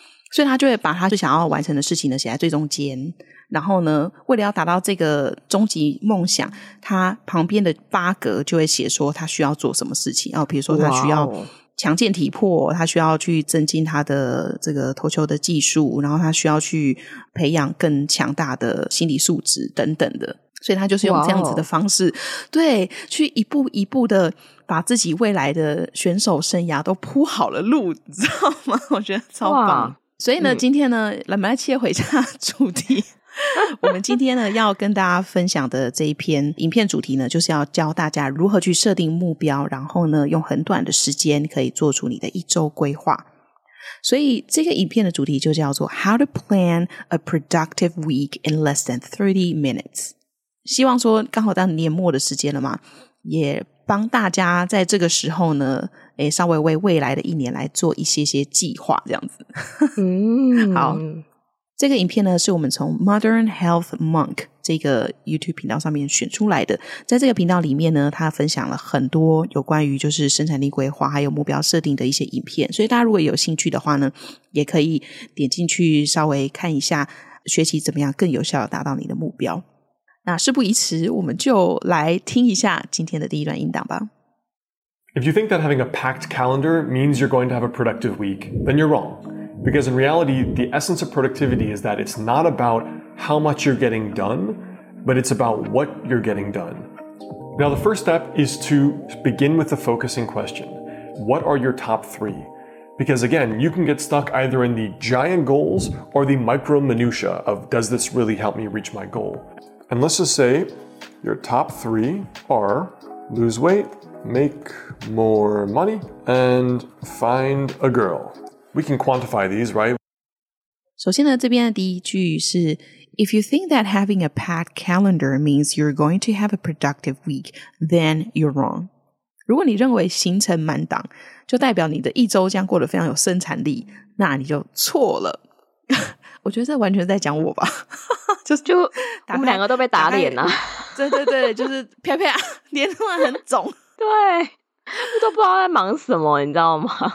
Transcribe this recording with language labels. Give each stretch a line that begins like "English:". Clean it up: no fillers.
Chinese: 所以他就会把他最想要完成的事情呢写在最中间，然后呢为了要达到这个终极梦想，他旁边的8格就会写说他需要做什么事情，然后比如说他需要强健体魄，他需要去增进他的这个投球的技术，然后他需要去培养更强大的心理素质等等的，所以他就是用这样子的方式、对，去一步一步的把自己未来的选手生涯都铺好了路，你知道吗？我觉得超棒。所以呢今天呢我们来切回下主题。我们今天呢要跟大家分享的这一篇影片主题呢，就是要教大家如何去设定目标，然后呢用很短的时间可以做出你的一周规划。所以这个影片的主题就叫做 How to plan a productive week in less than 30 minutes。希望说刚好到年末的时间了嘛，也帮大家在这个时候呢稍微为未来的一年来做一些些计划这样子。好，这个影片呢是我们从 Modern Health Monk 这个 YouTube 频道上面选出来的。在这个频道里面呢，他分享了很多有关于就是生产力规划还有目标设定的一些影片，所以大家如果有兴趣的话呢，也可以点进去稍微看一下学习怎么样更有效地达到你的目标。那事不宜迟，我们就来听一下今天的第一段音档吧。
English: If you think that having a packed calendar means you're going to have a productive week, then you're wrong. Because in reality, the essence of productivity is that it's not about how much you're getting done, but it's about what you're getting done. Now, the first step is to begin with the focusing question. What are your top three? Because again, you can get stuck either in the giant goals or the micro minutia of does this really help me reach my goal? And let's just say your top three are lose weight,make more money, and find a girl. We can quantify these, right? 首先呢，这边的第一句是 If you think that having a packed calendar means you're going to have a productive week, then you're wrong.
Chinese: 如果你认为行程满档就代表你的一周将过得非常有生产力，那你就错了。我觉得这完全在讲我吧。就我们两个都被打脸了、啊。对对对，就是啪啪脸突然很肿。对，我都不知道在忙什么，你知道吗？